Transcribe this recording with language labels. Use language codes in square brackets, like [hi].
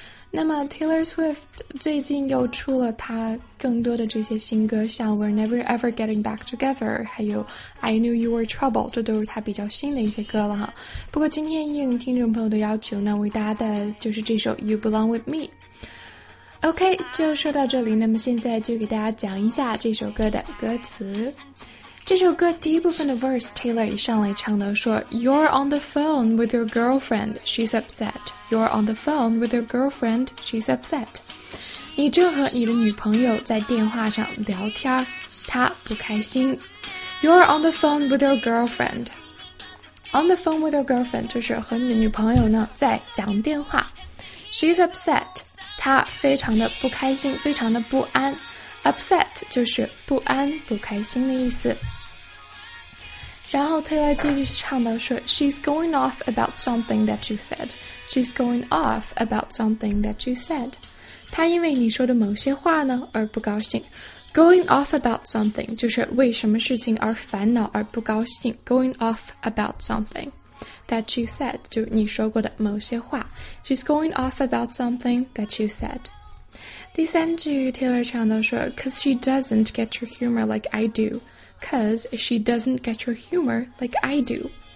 [zh] 那么 Taylor Swift 最近又出了他更多的这些新歌，像 We're Never Ever Getting Back Together， 还有 I Knew You Were Trouble， 这都是他比较新的一些歌了哈。不过今天应听众朋友的要求呢，为大家带来的就是这首 You Belong With Me。 OK， 就说到这里，那么现在就给大家讲一下这首歌的歌词。这首歌第一部分的 verse， Taylor 一上来唱的说 [en] You're on the phone with your girlfriend, she's upset. You're on the phone with your girlfriend, she's upset. [zh] 你正和你的女朋友在电话上聊天，她不开心。 [en] You're on the phone with your girlfriend. On the phone with your girlfriend [zh] 就是和你的女朋友呢在讲电话。 [en] She's upset， [zh] 她非常的不开心，非常的不安。 Upset 就是不安不开心的意思。然后推来继续唱到说 [en] She's going off about something that you said. She's going off about something that you said. [zh] 她因为你说的某些话呢而不高兴。 [en] Going off about something [zh] 就是为什么事情而烦恼而不高兴 [en] Going off about something that you said [zh] 就你说过的某些话 [en] She's going off about something that you said [zh] 第三句 [en] Taylor [zh] 唱到说 [en] Cause she doesn't get your humor like I do Cause she doesn't get your humor like I do